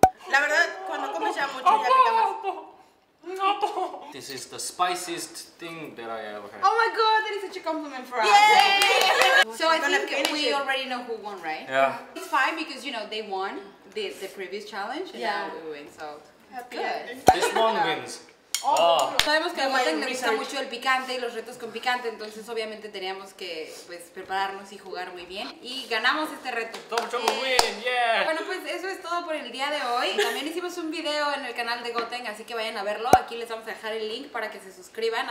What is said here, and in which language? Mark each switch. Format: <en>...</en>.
<es>La verdad, cuando comes ya mucho ya pica más.</es> <en>This is the spiciest thing that I ever had. Oh my god, that is such a compliment for us. Yay! So I think we already know who won, right? Yeah. It's fine because, you know, they won the previous challenge and now we win, so this one wins.</en> <es>Sabemos que a Goteng le gusta mucho el picante y los retos con picante, entonces obviamente teníamos que pues prepararnos y jugar muy bien y ganamos este reto. Bueno, pues eso es todo por el día de hoy. También hicimos un video en el canal de Goteng, así que vayan a verlo. Aquí les vamos a dejar el link para que se suscriban.</es>